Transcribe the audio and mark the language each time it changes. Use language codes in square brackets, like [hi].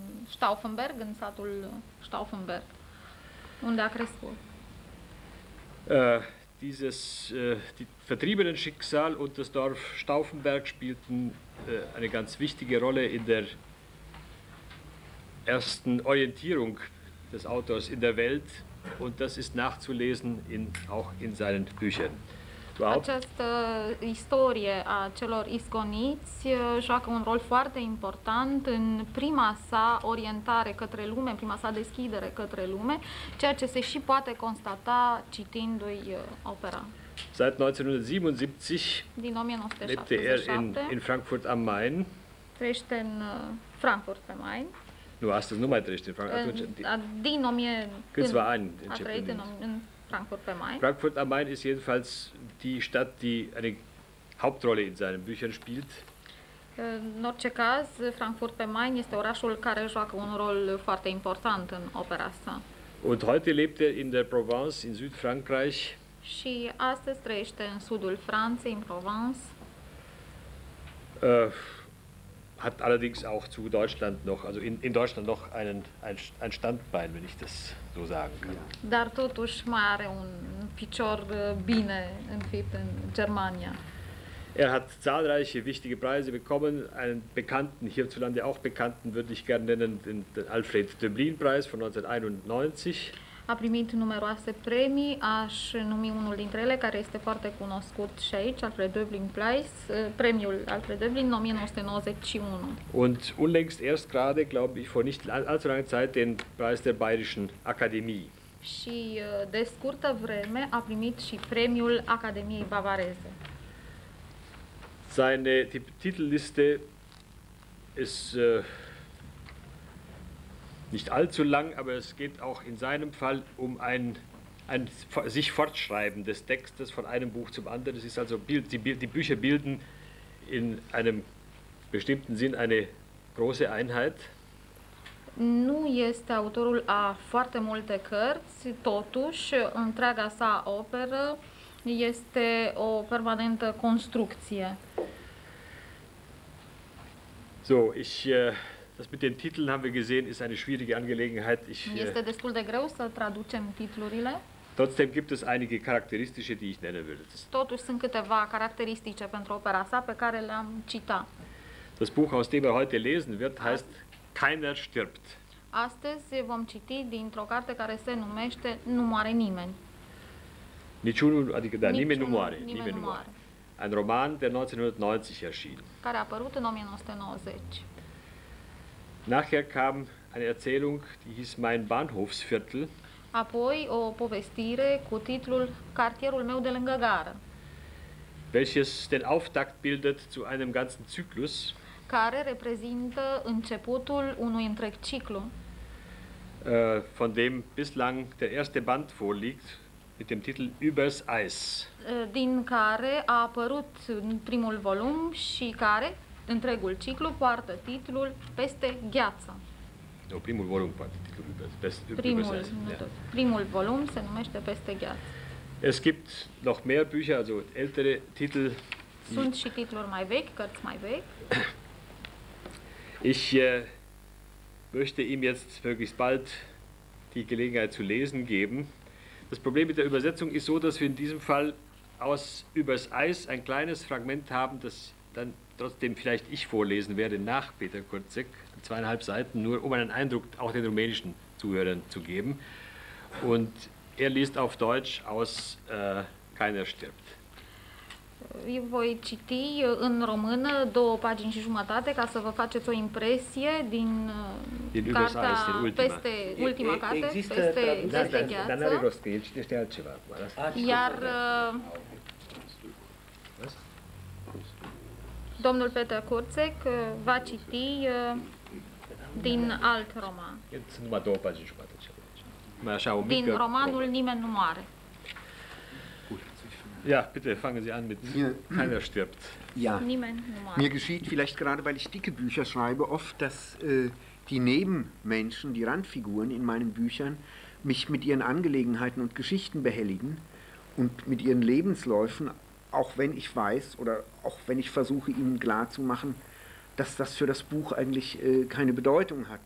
[ro] Stauffenberg, în satul Stauffenberg, unde a crescut. [de] Die vertriebenen Schicksal und das Dorf Stauffenberg spielten eine ganz wichtige Rolle in der ersten Orientierung des Autors in der Welt, und das ist nachzulesen auch in seinen Büchern. [ro] Această istorie a celor isconiți joacă un rol foarte important în prima sa orientare către lume, prima sa deschidere către lume, ceea ce se și poate constata citindu-i opera. [de] Seit 1977 [ro] din 1977 [de] in Frankfurt am Main. [ro] Trăiește în Frankfurt pe Main. Nu, astăzi nu mai trăiește în Frankfurt. Câțiva ani începând. [de] Frankfurt am Main ist jedenfalls die Stadt, die eine Hauptrolle in seinen Büchern spielt. [ro] În orice caz, Frankfurt pe Main este orașul care joacă un rol foarte important în opera sa. [de] Und heute lebt in der Provence, in Südfrankreich. [ro] Și astăzi trăiește în sudul Franței, în Provence. [de] Hat allerdings auch zu Deutschland noch, also in Deutschland noch ein Standbein, wenn ich das so sagen kann. [ro] Dar totuși mai are un picior bine înfipt în Germania. [de] Er hat zahlreiche wichtige Preise bekommen, einen bekannten, hierzulande auch bekannten, würde ich gerne nennen, den Alfred Döblin-Preis von 1991. [ro] A primit numeroase premii, aș numi unul dintre ele, care este foarte cunoscut și aici, Alfred Döblin Prize, premiul Alfred Döblin, 1991. [de] Und unlängst erst gerade, glaube ich, vor nicht allzu langer Zeit, den Preis der Bayerischen Akademie. [ro] Și de scurtă vreme a primit și premiul Academiei Bavareze. [de] Seine Titelliste ist... nicht allzu lang, aber es geht auch in seinem Fall um ein sich fortschreiben des Textes von einem Buch zum anderen. Es ist also die Bücher bilden in einem bestimmten Sinn eine große Einheit. [ro] Nu este autorul a foarte multe cărți, totuși întreaga sa operă este o permanentă construcție. [de] So, ich das mit den Titeln haben wir gesehen, ist eine schwierige Angelegenheit. [ro] Este destul de greu să traducem titlurile. [de] Trotzdem gibt es einige Charakteristische, die ich nennen würde. [ro] Totuși sunt câteva caracteristice pentru opera sa pe care le-am citat. [de] Das Buch, aus dem wir heute lesen wird, heißt Keiner stirbt. [ro] Astăzi vom citi dintr-o carte care se numește Nu moare nimeni. Niciunul, adică da, nimeni nu moare. Nimeni nu moare. [de] Ein Roman, der 1990 erschien. [ro] Care a apărut în 1990. [de] Nachher kam eine Erzählung, die hieß Mein Bahnhofsviertel. [ro] Apoi o povestire cu titlul Cartierul meu de lângă gară. [de] Welches den Auftakt bildet zu einem ganzen Zyklus. [ro] Care reprezintă începutul unui întreg ciclu. [de] Von dem bislang der erste Band vorliegt mit dem Titel Übers Eis. [ro] Din care a apărut primul volum și care întregul ciclu poartă titlul Peste gheață. No, primul volum poartă titlul Peste gheață. Primul volum se numește Peste gheață. [de] Es gibt noch mehr Bücher, also ältere Titel. [ro] Sunt și titluri mai vechi, cărți mai vechi. [de] Ich möchte ihm jetzt möglichst bald die Gelegenheit zu lesen geben. Das Problem mit der Übersetzung ist so, dass wir in diesem Fall aus Übers Eis ein kleines Fragment haben, das dann trotzdem vielleicht ich vorlesen werde nach Peter Kurzeck, 2,5 Seiten, nur um einen Eindruck auch den rumänischen Zuhörern zu geben. Und er liest auf Deutsch aus Keiner stirbt. [ro] Eu voi citi în română 2,5 pagini, ca să vă faceți o impresie din cartea Eis, din ultima. Peste ultima carte, peste gheață. Dar n-are rost, că el citește altceva. Iar... domnul Peter Kurzeck va citi din alt roman. Sunt numai 2,5 pagini. Mai așa, o mică... Din romanul Nimeni nu moare. [de] Ja, bitte, fangen Sie an mit Keiner stirbt. Ja, mir geschieht vielleicht gerade, weil ich dicke Bücher schreibe, oft, dass die Nebenmenschen, die Randfiguren in meinen Büchern, mich mit ihren Angelegenheiten und Geschichten behelligen und mit ihren Lebensläufen, auch wenn ich weiß oder auch wenn ich versuche, ihnen klarzumachen, dass das für das Buch eigentlich keine Bedeutung hat.